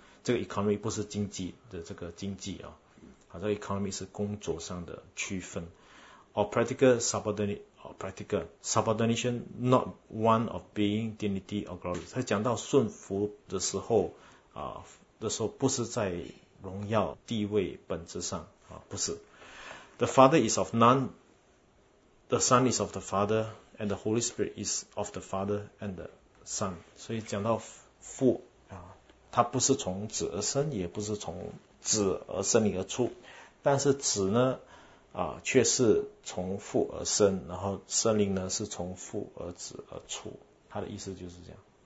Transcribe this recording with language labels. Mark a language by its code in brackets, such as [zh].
[zh] 这个 economy 不是经济的这个经济这个 economy 是工作上的区分。 [en] Or practical subordinate,practical subordination, not one of being dignity or glory. [zh] 他讲到顺服的时候不是在荣耀地位本质上不是。 [en] The Father is of none, the Son is of the Father, and the Holy Spirit is of the Father and the Son. [zh] 所以讲到父他不是从子而生，也不是从子而生理而出，但是子呢却是从父而生，然后圣灵呢是从父而子而出，他的意思就是这样。